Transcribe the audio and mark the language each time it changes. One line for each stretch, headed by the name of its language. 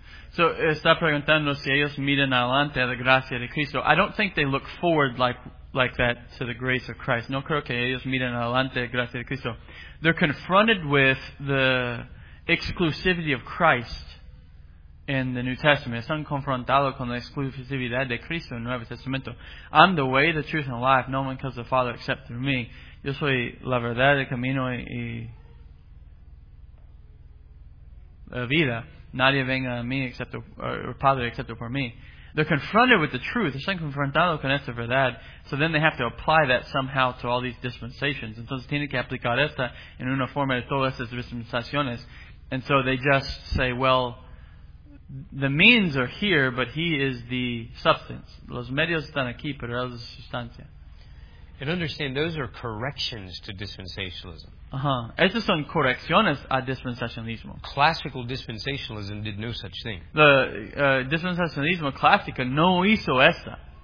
Spanish: So, está preguntando si ellos miran adelante a la gracia de Cristo.
English: I don't think they look forward like that to the grace of Christ.
Spanish: No creo que ellos miran adelante a la gracia de Cristo.
English: They're confronted with the exclusivity of Christ in the New Testament.
Spanish: Están confrontados con la exclusividad de Cristo en el Nuevo Testamento.
English: I'm the way, the truth, and the life. No one comes to the Father except through me.
Spanish: Yo soy la verdad, el camino y la vida. Nadie venga a mí excepto, or Padre excepto por mí.
English: They're confronted with the truth. They're saying
Spanish: confrontado con esta verdad.
English: So then they have to apply that somehow to all these dispensations.
Spanish: Entonces tiene que aplicar esta en una forma de todas estas dispensaciones.
English: And so they just say, well, the means are here, but he is the substance.
Spanish: Los medios están aquí, pero él es la sustancia.
English: And understand, those are corrections to dispensationalism.
Spanish: Uh-huh. Esas son correcciones a dispensacionalismo.
English: Classical dispensationalism did no such thing.
Spanish: Dispensacionalismo clásico no hizo esa.